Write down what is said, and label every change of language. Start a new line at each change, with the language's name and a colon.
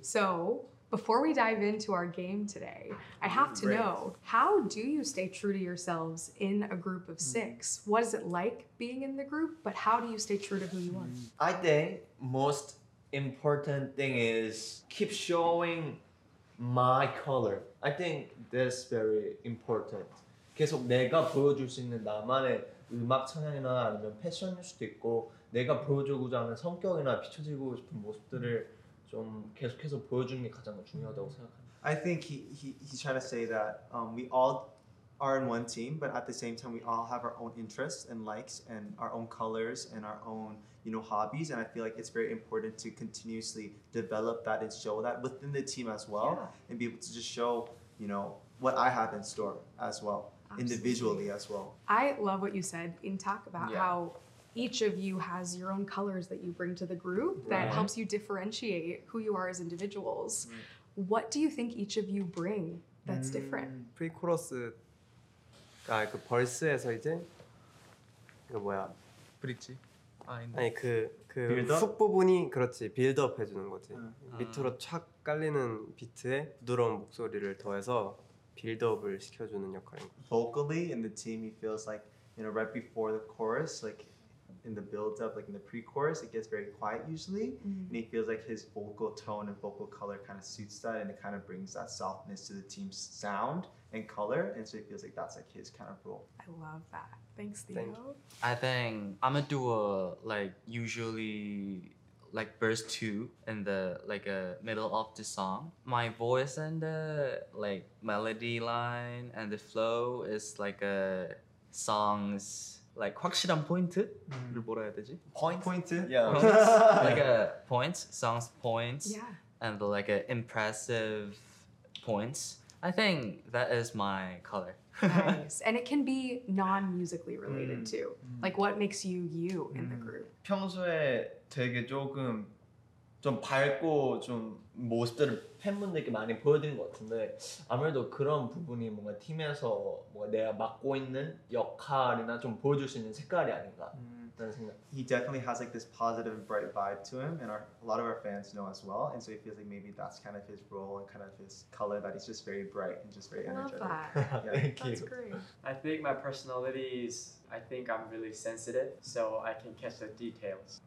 English: So, before we dive into our game today, I have to know, how do you stay true to yourselves in a group of six? What is it like being in the group, but how do you stay true to who you are? I think most important thing is keep showing my color. I think that's very important.
Korean: 계속 내가 보여줄 수 있는 나만의 음악 성향이나 아니면 패션일 수도 있고, 내가 보여주고자 하는 성격이나 비춰지고 싶은 모습들을 좀 계속해서 보여주는 게 가장 중요하다고 생각합니다.
English: I think he's trying to say that we all are in one team, but at the same time we all have our own interests and likes and our own colors and our own, you know, hobbies, and I feel like it's very important to continuously develop that and show that within the team as well. Yeah. And be able to just show, you know, what I have in store as well. Absolutely. Individually as well. I love what you said in talk about how each of you has your own colors that you bring to the group that helps you differentiate who you are as individuals. Right. What do you think each of you bring that's different?
Korean: Pre-chorus가 그 벌스에서 이제 그 뭐야? 브릿지? 아니 그 훅 부분이 그렇지, 빌드업 해주는 거지. 밑으로 촥 깔리는 비트에 부드러운 목소리를 더해서 빌드업을 시켜주는 역할인 거지.
English: Vocally in the team, he feels like, you know, right before the chorus, like in the build-up, like in the pre-chorus, it gets very quiet usually, and he feels like his vocal tone and vocal color kind of suits that, and it kind of brings that softness to the team's sound and color, and so he feels like that's like his kind of role. I love that. Thanks, Theo. Thank you. I think I'm a duo, like usually like verse two in the like a middle of the song. My voice and the like melody line and the flow is like a song's like
Korean: 확실한 포인트를 뭐라 해야 되지?
English: Point. Yeah. Like a point, song's point. Yeah. And like a impressive point. I think that is my color. Nice. And it can be non-musically related too. Like what makes you in the group?
Korean: 평소에 되게 조금 좀 밝고 좀 모습들을 팬분들께 많이 보여드린 것 같은데, 아무래도 그런 부분이 뭔가 팀에서 뭐 내가 맡고 있는 역할이나 좀 보여줄 수 있는 색깔이 아닌가 라는 생각.
English: He definitely has like this positive and bright vibe to him, and a lot of our fans know as well, and so he feels like maybe that's kind of his role and kind of his color, that he's just very bright and just very energetic. Love that. Thank you. That's great. I think my personality is, I think I'm really sensitive, so I can catch the details.